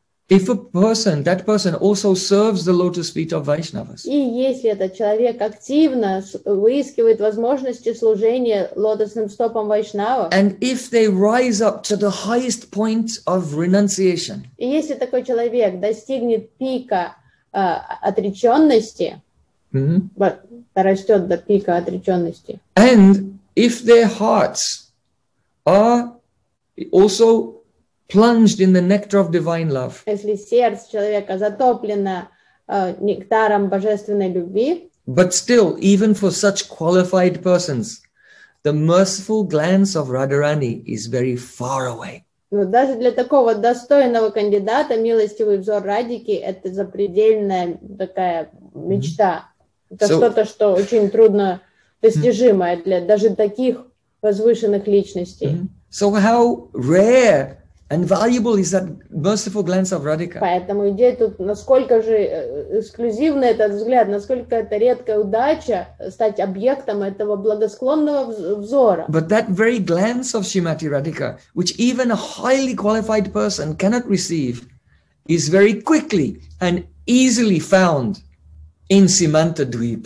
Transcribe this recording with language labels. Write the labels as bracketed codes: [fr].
[en] if a person, that person also serves the lotus feet of Vaishnavas. [ru] И если этот человек активно выискивает возможности служения лотосным стопам Вайшнава. [en] And if they rise up to the highest point of renunciation. [ru] И если такой человек достигнет пика отреченности, растет до пика отреченности. [en] And if their hearts are also plunged in the nectar of divine love. [ru] Если сердце человека затоплено нектаром божественной любви. [en] But still, even for such qualified persons, the merciful glance of Radharani is very far away. [ru] Но даже для такого достойного кандидата милостивый взор Радики это запредельная такая мечта. Это что-то, что очень трудно достижимое для даже таких возвышенных личностей. [en] So how rare And valuable is that merciful glance of Radhika. [ru] Поэтому идея тут, насколько же эксклюзивный этот взгляд, насколько это редкая удача стать объектом этого благосклонного взора. [en] But that very glance of Srimati Radhika, which even a highly qualified person cannot receive, is very quickly and easily found in Simantadvip.